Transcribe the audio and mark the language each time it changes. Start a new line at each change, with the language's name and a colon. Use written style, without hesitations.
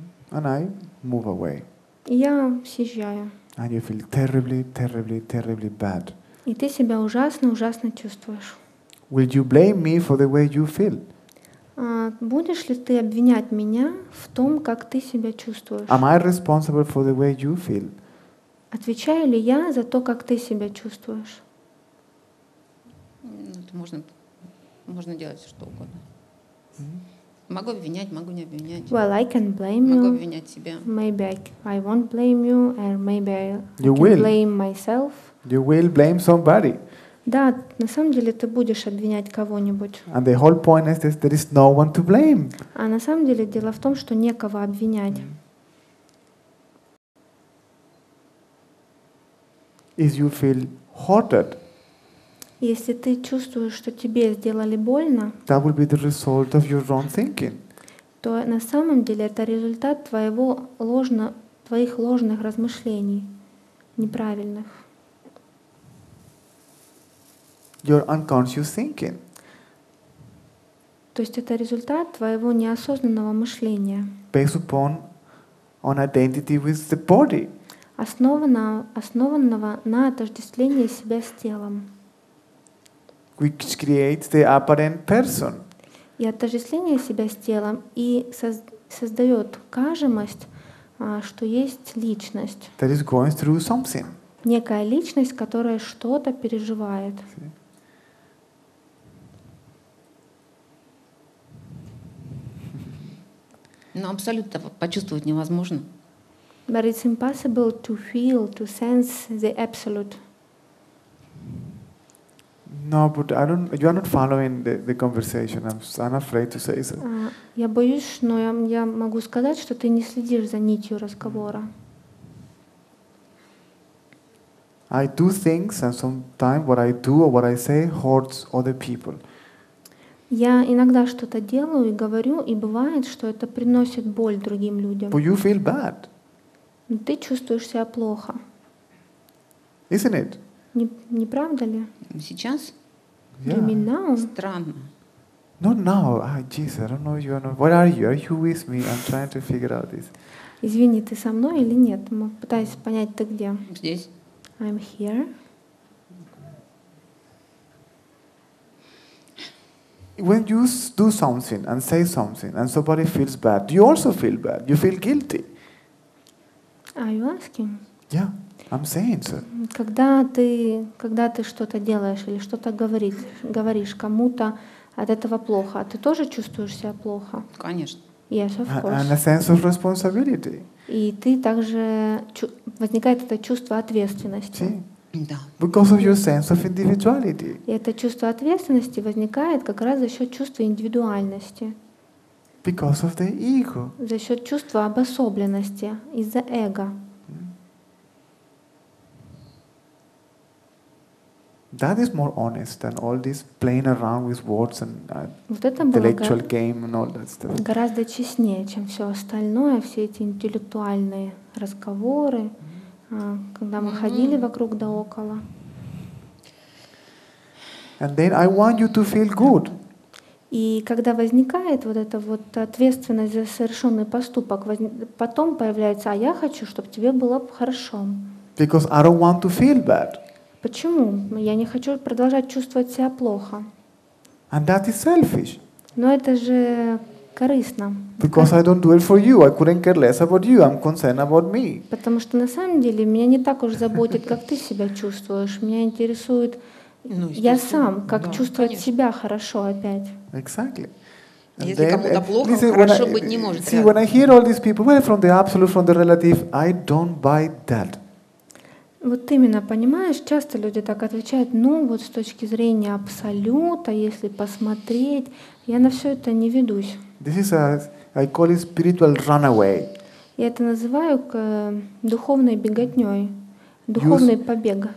English: And I move away.
Russian: Я съезжаю.
English: And you feel terribly, terribly, terribly bad.
Russian: И ты себя ужасно, ужасно чувствуешь.
English: Will you blame me for the way you feel?
Russian: Будешь ли ты обвинять меня в том, как ты себя чувствуешь?
English: Am I responsible for the way you feel?
Russian: Отвечаю ли я за то, как ты себя чувствуешь? Это можно делать что угодно. Mm-hmm. Могу обвинять, могу не обвинять.
English: Well, I can blame
Russian: могу
English: you.
Russian: Могу обвинять себя.
English: Maybe I won't blame you, or maybe I you can will. Blame myself. You will blame somebody.
Russian: Да, на самом деле ты будешь обвинять кого-нибудь.
English: And the whole point is that there is no one to blame.
Russian: А на самом деле дело в том, что некого обвинять. Mm-hmm.
English: If you feel hurted,
Russian: если ты чувствуешь, что тебе сделали больно,
English: that will be the result of your wrong thinking.
Russian: То на самом деле это результат твоих ложных размышлений, неправильных.
English: Your unconscious thinking.
Russian: То есть это результат твоего неосознанного мышления.
English: Based upon an identity with the body.
Russian: Основанного на отождествлении себя с телом.
English: Which creates the apparent person.
Russian: И отождествление себя с телом и создает кажемость, что есть личность.
English: That is going through something.
Russian: Некая личность, которая что-то переживает.
English: See?
Russian: Но абсолютно почувствовать невозможно.
English: But it's impossible to feel, to sense the absolute. No, but I don't. You are not following the conversation. I'm afraid to say so.
Russian: Я боюсь, но я могу сказать, что ты не следишь за нитью разговора.
English: I do things, and sometimes what I do or what I say hurts other people.
Russian: Я иногда что-то делаю и говорю, и бывает, что это приносит боль другим людям.
English: But you feel bad.
Russian: Ты чувствуешь себя плохо.
English: Isn't it?
Russian: Не правда ли? Сейчас?
English: Yeah. You mean now?
Russian: Странно.
English: Not now. Ah, jeez, I don't know if you are not... What are you? Are you with me? I'm trying to figure out this.
Russian: Извини, ты со мной или нет? Мы пытаемся понять, ты где. Здесь.
English: I'm here. when you do something and say something and somebody feels bad, do you also feel bad? You feel guilty. Are you asking? Yeah, I'm saying so.
Russian: Когда ты что-то делаешь или что-то говоришь кому-то, от этого плохо, ты тоже чувствуешь себя плохо? Конечно.
English: Yes, of course. And a sense of responsibility.
Russian: И ты также возникает это чувство ответственности. Да.
English: Because of your sense of individuality.
Russian: Это чувство ответственности возникает как раз за счет чувства индивидуальности.
English: Because of the ego.
Russian: За счет чувства обособленности из-за эго.
English: That is more honest than all this playing around with words and intellectual game and all that stuff.
Russian: Гораздо честнее, чем все остальное, все эти интеллектуальные разговоры. Когда мы ходили вокруг да около.
English: And then I want you to feel good.
Russian: И когда возникает вот эта вот ответственность за совершенный поступок, потом появляется, а я хочу, чтобы тебе было хорошо.
English: Because I don't want to feel bad.
Russian: Почему? Я не хочу продолжать чувствовать себя плохо.
English: And that is selfish.
Russian: Но это же корыстно.
English: Because I don't do it for you. I couldn't care less about you. I'm concerned about me.
Russian: Потому что на самом деле меня не так уж заботит, как ты себя чувствуешь. Меня интересует я сам, как чувствовать себя хорошо опять.
English: Exactly.
Russian: Если кому-то плохо,
English: listen,
Russian: хорошо быть не может.
English: See, when I hear all these people, well, from the absolute, from the relative, I don't buy that.
Russian: Вот именно, понимаешь, часто люди так отвечают, ну вот с точки зрения абсолюта, если посмотреть, я на все это не ведусь.
English: This is I call it spiritual runaway.
Russian: Я это называю духовной беготнёй, духовный побег.